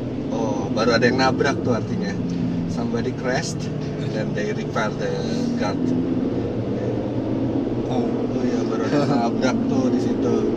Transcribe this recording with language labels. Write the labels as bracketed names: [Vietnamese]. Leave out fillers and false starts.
[Indonesian] Oh, baru ada yang nabrak tuh artinya. [English] Somebody crashed, and then they repair the guard. [Indonesian] Oh ya, baru ada yang nabrak tuh di situ.